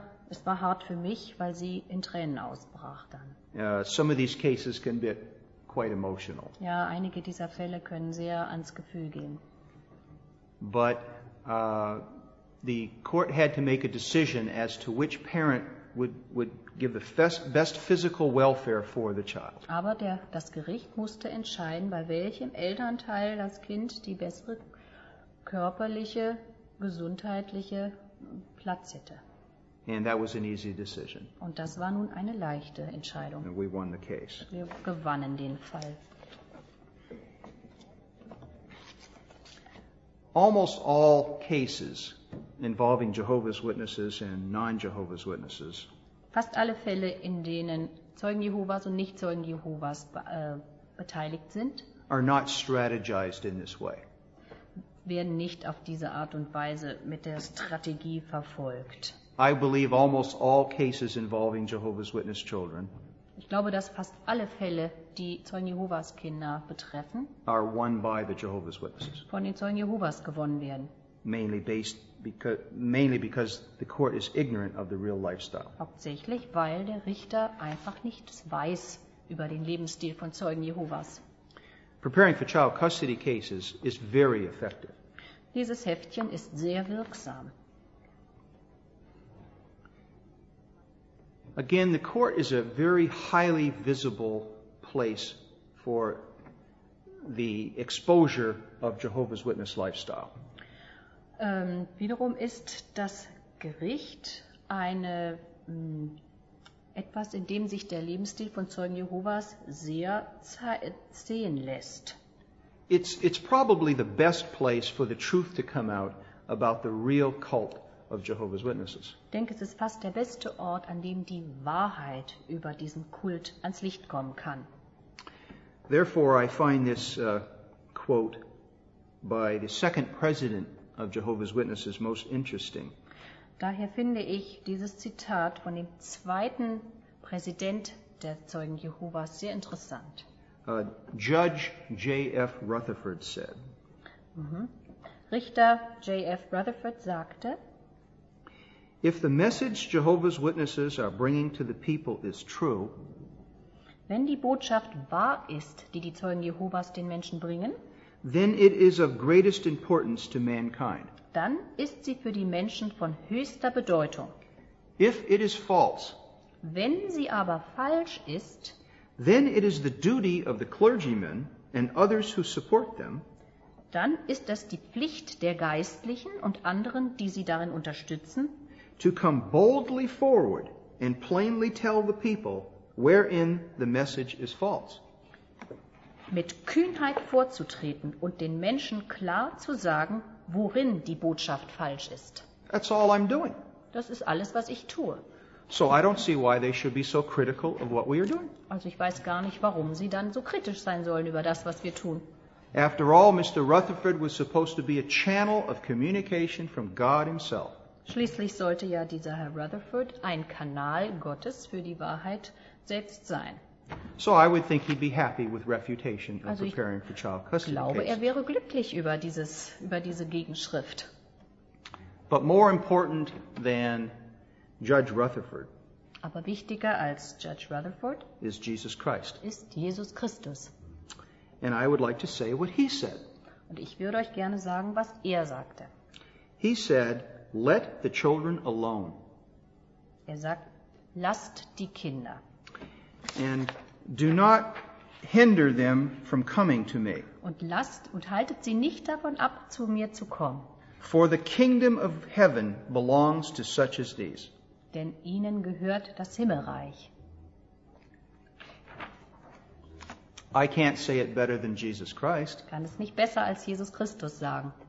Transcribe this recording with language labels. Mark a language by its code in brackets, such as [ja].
[de] Es war hart für mich, weil sie in Tränen ausbrach dann. [en] Some of these cases can be quite emotional. [de] Ja, einige dieser Fälle können sehr ans Gefühl gehen. [en] But the court had to make a decision as to which parent would give the best physical welfare for the child. [de] Aber das Gericht musste entscheiden, bei welchem Elternteil das Kind die bessere körperliche, gesundheitliche Platz hätte. [en] And that was an easy decision. [de] Und das war nun eine leichte Entscheidung. [en] And we won the case. [de] Wir gewannen den Fall. [en] Almost all cases involving Jehovah's Witnesses and non-Jehovah's Witnesses. [de] Fast alle Fälle, in denen Zeugen Jehovas und Nichtzeugen Jehovas beteiligt sind, [en] are not strategized in this way. [de] Werden nicht auf diese Art und Weise mit der Strategie verfolgt. [en] I believe almost all cases involving Jehovah's Witness children. [de] Ich glaube, dass fast alle Fälle, die Zeugen Jehovas Kinder betreffen, [en] are won by the Jehovah's Witnesses. [de] Von den Zeugen Jehovas gewonnen werden. [en] Mainly because the court is ignorant of the real lifestyle. [de] Hauptsächlich, weil der Richter einfach nichts weiß über den Lebensstil von Zeugen Jehovas. [en] Preparing for child custody cases is very effective. [de] Dieses Heftchen ist sehr wirksam. [en] Again, the court is a very highly visible place for the exposure of Jehovah's Witness lifestyle. [de] Wiederum ist das Gericht eine etwas, in dem sich der Lebensstil von Zeugen Jehovas sehr sehen lässt. [en] It's probably the best place for the truth to come out about the real cult of Jehovah's Witnesses. [de] Ich denke, es ist fast der beste Ort, an dem die Wahrheit über diesen Kult ans Licht kommen kann. [en] Therefore, I find this quote by the second president of Jehovah's Witnesses most interesting. [de] Daher finde ich dieses Zitat von dem zweiten Präsident der Zeugen Jehovas sehr interessant. [en] Judge J.F. Rutherford said. [de] Richter J.F. Rutherford sagte: [en] If the message Jehovah's Witnesses are bringing to the people is true, [de] wenn die Botschaft wahr ist, die die Zeugen Jehovas den Menschen bringen, [en] then it is of greatest importance to mankind. [de] Dann ist sie für die Menschen von höchster Bedeutung. [en] If it is false, [de] wenn sie aber falsch ist, [en] then it is the duty of the clergymen and others who support them, [de] dann ist es die Pflicht der Geistlichen und anderen, die sie darin unterstützen, [en] to come boldly forward and plainly tell the people wherein the message is false. [de] Mit Kühnheit vorzutreten und den Menschen klar zu sagen, worin die Botschaft falsch ist. [en] That's all I'm doing. [de] Das ist alles, was ich tue. [en] So I don't see why they should be so critical of what we are doing. [de] Also ich weiß gar nicht, warum sie dann so kritisch sein sollen über das, was wir tun. [en] After all, Mr. Rutherford was supposed to be a channel of communication from God himself. [de] Schließlich sollte ja dieser Herr Rutherford ein Kanal Gottes für die Wahrheit selbst sein. [en] So I would think he'd be happy with refutation and [de] also [en] preparing for child custody. [de] Ich glaube, [en] cases. [de] Er wäre glücklich über dieses über diese Gegenschrift. [en] But more important than Judge Rutherford. [de] Aber wichtiger als Judge Rutherford [en] is Jesus Christ. [de] Ist Jesus Christus. [en] And I would like to say what he said. [de] Und ich würde euch gerne sagen, was sagte. [en] He said, "Let the children alone." [de] Sagt, "Lasst die Kinder." [en] And do not hinder them from coming to me. [de] Und lasst und haltet sie nicht davon ab, zu mir zu kommen. [en] For the kingdom of heaven belongs to such as these. [de] Denn ihnen gehört das Himmelreich. [en] I can't say it better than Jesus Christ. [de] Kann es nicht besser als Jesus Christus sagen.